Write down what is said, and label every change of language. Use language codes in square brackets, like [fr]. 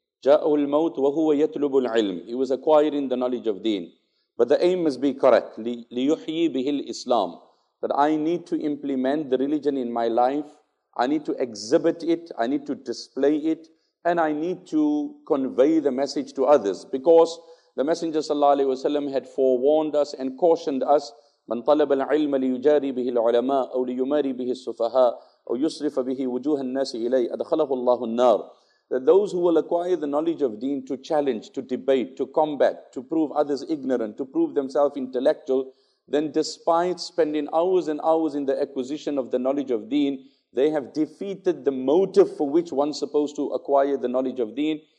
[ar] جَاءُ الْمَوْتُ وَهُوَ يَتْلُبُ الْعِلْمِ. [en] He was acquiring the knowledge of deen. But the aim must be correct. [ar] لِيُحْيِي بِهِ الْإِسْلَامِ. [en] That I need to implement the religion in my life. I need to exhibit it. I need to display it. And I need to convey the message to others. Because the Messenger sallallahu alayhi wasallam had forewarned us and cautioned us, [ar] من طلب العلم ليجاري به العلماء أو ليماري به السفهاء أو يصرف به وجوه الناس إليه أدخله الله النار. [en] That those who will acquire the knowledge of deen to challenge, to debate, to combat, to prove others ignorant, to prove themselves intellectual, then despite spending hours and hours in the acquisition of the knowledge of deen, they have defeated the motive for which one's supposed to acquire the knowledge of deen.